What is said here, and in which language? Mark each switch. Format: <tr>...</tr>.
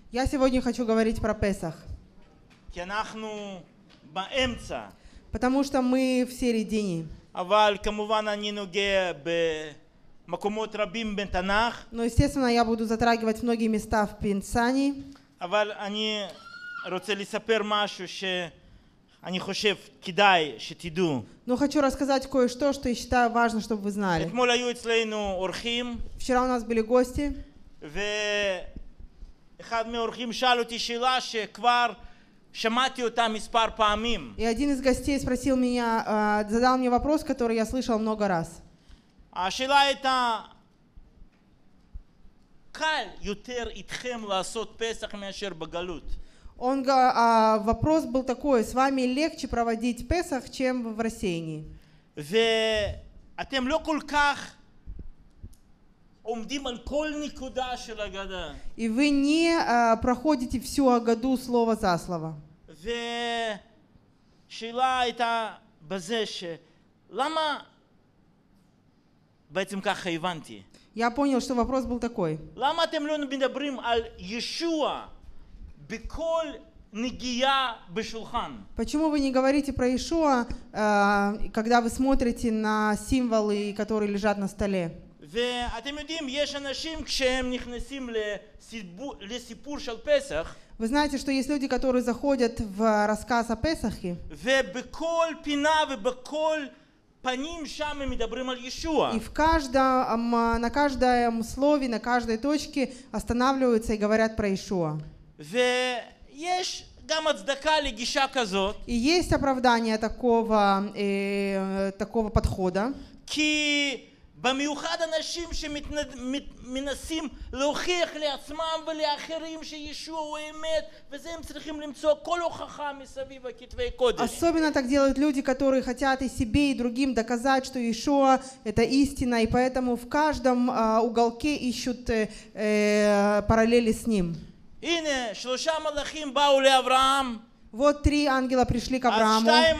<ru>Я сегодня хочу говорить про Песах.</ru> <he>כי אנחנו באמצע.</he> <ru>Потому что мы в середине.</ru> <he>אבל כמובן אני נוגע ב מקומות רבים בתנ"ך.</he> <ru>Но естественно я буду затрагивать многие места в Писании.</ru> <he>אבל אני רוצה לספר משהו שאני חושב כדאי שתדעו.</he> <ru>Но хочу рассказать кое-что, что я считаю важно, чтобы вы знали.</ru> <he>אתמול היו אצלנו אורחים.</he> <ru>Вчера у нас были гости.</ru> <he>ואחד מהאורחים שאל אותי שאלה שכבר שמעתי אותה מספר פעמים.</he> <ru>И один из гостей спросил меня, задал мне вопрос, который я слышал много раз.</ru> <he>השאלה הייתה, קל יותר איתכם לעשות פסח מאשר בגלות.</he> <ru>Он, вопрос был такой, с вами легче проводить Песах, чем в рассеянии.</ru> <he>ואתם לא כל כך עומדים על כל נקודה של הגדה.</he> <ru>И вы не проходите всю Агаду слово за слово.</ru> <he>ושאלה הייתה בזה שלמה בעצם ככה הבנתי.</he> <ru>Я понял, что вопрос был такой.</ru> <he>למה אתם לא מדברים על ישוע בכל נגיעה בשולחן?</he> <ru>Почему вы не говорите про Иешуа, когда вы смотрите на символы, которые лежат на столе?</ru> <he>ואתם יודעים, יש אנשים כשהם נכנסים לסיפור של פסח.</he> <ru>Вы знаете, что есть люди, которые заходят в рассказ о Песахе.</ru> <he>ובכל פינה ובכל פנים שם מדברים על ישוע.</he> <ru>И в каждом, на каждом слове, на каждой точке останавливаются и говорят про Иешуа.</ru> <he>ויש גם הצדקה לגישה כזאת.</he> <ru>И есть оправдание такого, такого подхода.</ru> <he>כי במיוחד אנשים שמנסים להוכיח לעצמם ולאחרים שישוע הוא אמת, וזה הם צריכים למצוא כל הוכחה מסביב הכתבי קודש.</he> <ru>Особенно так делают люди, которые хотят и себе, и другим доказать, что Иешуа – это истина, и поэтому в каждом уголке ищут параллели с ним.</ru> <he>הנה, שלושה מלאכים באו לאברהם.</he> <ru>Вот три ангела пришли к Аврааму.</ru>